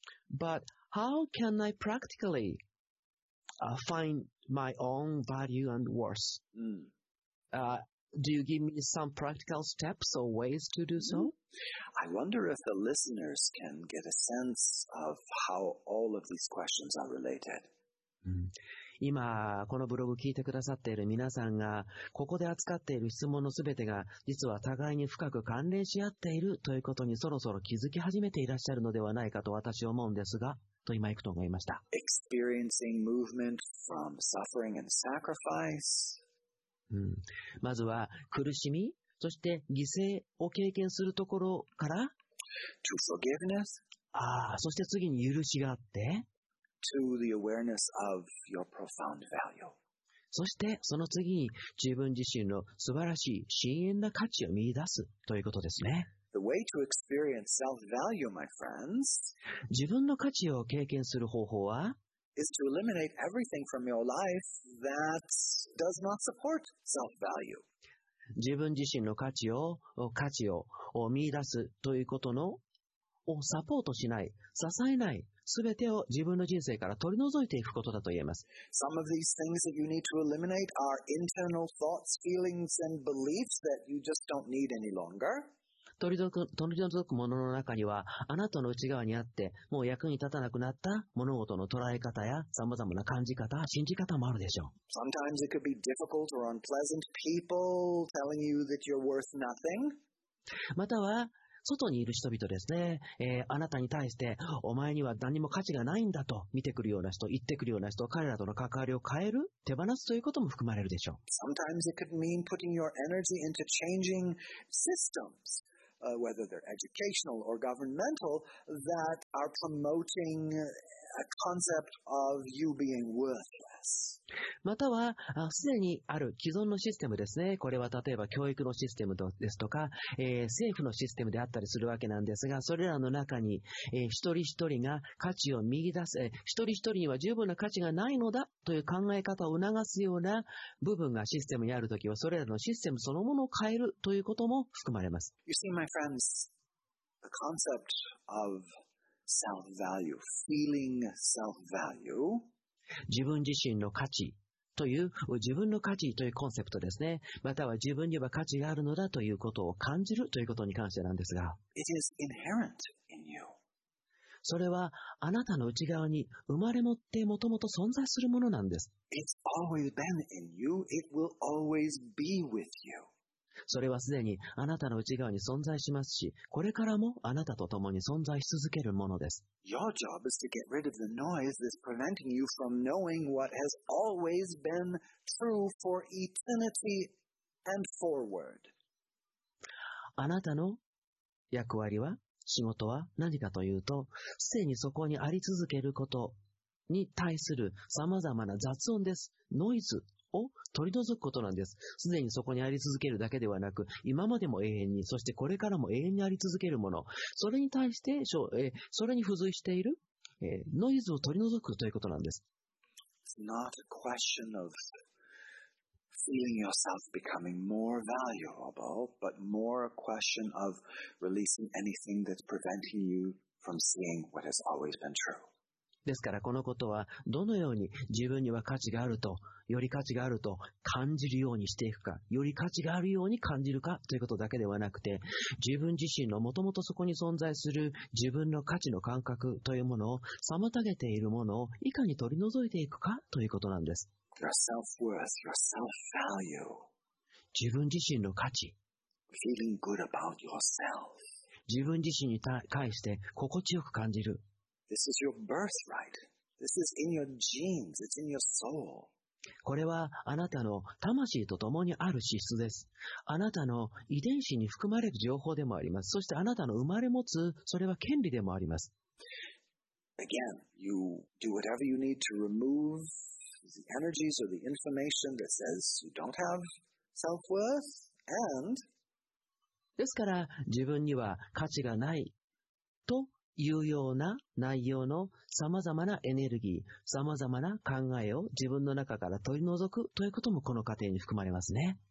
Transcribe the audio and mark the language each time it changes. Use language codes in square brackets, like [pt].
[en] But how can I practically, find my own value and worth? Mm. Do you give me some practical steps or ways to do so? I wonder if the listeners can get a sense of how all of these questions are related. Mm. [ja] 今このブログを聞いてくださっている皆さんがここで扱っている質問のすべてが実は互いに深く関連し合っているということにそろそろ気づき始めていらっしゃるのではないかと私は思うんですがと今行くと思いました。 [en] Experiencing movement from suffering and sacrifice. [ja] まずは苦しみそして犠牲を経験するところから [en] To forgiveness. [ja] そして次に許しがあって [en] to the awareness of your profound value. [ja] そしてその次に自分自身の素晴らしい深淵な価値を見出すということですね。 [en] The way to experience self-value, my friends, [ja] 自分の価値を経験する方法は [en] is to eliminate everything from your life that does not support self-value. [ja] 自分自身の価値を見出すということのをサポートしない、支えない、すべてを自分の人生から取り除いていくことだと言えます。 [en] Some of these things that you need to eliminate are internal thoughts, feelings, and beliefs that you just don't need any longer. [ja] 取り除くものの中には、あなたの内側にあって、もう役に立たなくなった物事の捉え方や、さまざまな感じ方、信じ方もあるでしょう。 [en] Sometimes it could be difficult or unpleasant people telling you that you're worth nothing. [ja] または、外にいる人々ですね、あなたに対してお前には何も価値がないんだと見てくるような人、言ってくるような人、彼らとの関わりを変える、手放すということも含まれるでしょう。 [en] Sometimes it could mean putting your energy into changing systems, whether they're educational or governmental, that are promoting a concept of you being worthless. [ja] または、すでにある既存のシステムですね。これは例えば教育のシステムですとか、政府のシステムであったりするわけなんですが、それらの中に、一人一人が価値を見出す、一人一人には十分な価値がないのだという考え方を促すような部分がシステムにあるときは、それらのシステムそのものを変えるということも含まれます。 [en] You see, my friends, the concept of self-value, feeling self-value, [ja] 自分自身の価値という自分の価値というコンセプトですね。または自分には価値があるのだということを感じるということに関してなんですが、 [en] It is inherent in you. [ja] それはあなたの内側に生まれ持ってもともと存在するものなんです。 [en] It's always been in you. It will always be with you. [ja] それはすでにあなたの内側に存在しますし、これからもあなたと共に存在し続けるものです。 [en] Your job is to get rid of the noise that's preventing you from knowing what has always been true for eternity and forward. [ja] あなたの役割は、仕事は何かというと、すでにそこにあり続けることに対するさまざまな雑音です。ノイズを取り除くことなんです。すでにそこにあり続けるだけではなく、今までも永遠に、そしてこれからも永遠にあり続けるもの、それに対して、それに付随している、ノイズを取り除くということなんです。 [en] It's not a question of feeling yourself becoming more valuable, but more a question of releasing anything that's preventing you from seeing what has always been true. [ja] ですからこのことはどのように自分には価値があるとより価値があると感じるようにしていくかより価値があるように感じるかということだけではなくて自分自身のもともとそこに存在する自分の価値の感覚というものを妨げているものをいかに取り除いていくかということなんです。 [en] Your self-worth, your self-value. [ja] 自分自身の価値。 [en] Feeling good about yourself. [ja] 自分自身に対して心地よく感じる。 [en] This is your birthright. This is in your genes. It's in your soul. [ja] これはあなたの魂と共にある資質です。あなたの遺伝子に含まれる情報でもあります。そしてあなたの生まれ持つ、それは権利でもあります。 [en] Again, you do whatever you need to remove the energies or the information that says you don't have self-worth, and [ja] ですから自分には価値がないと有用な内容のさまざまなエネルギー、さまざまな考えを自分の中から取り除くということもこの過程に含まれますね。